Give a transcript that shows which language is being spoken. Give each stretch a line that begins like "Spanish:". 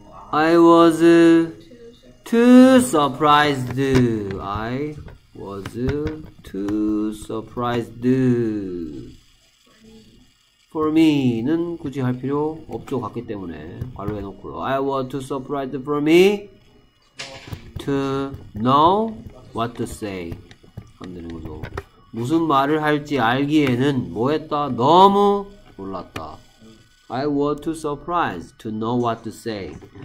English: I was too surprised. I was too surprised for me는
Korean: 굳이 할 필요 없죠. 같기 때문에 괄호 해놓고요.
English: I was too surprised for me to know what to say.
Korean: 안 되는 거죠. 무슨 말을 할지 알기에는 뭐 했다? 너무 놀랐다.
English: I was too surprised to know what to say.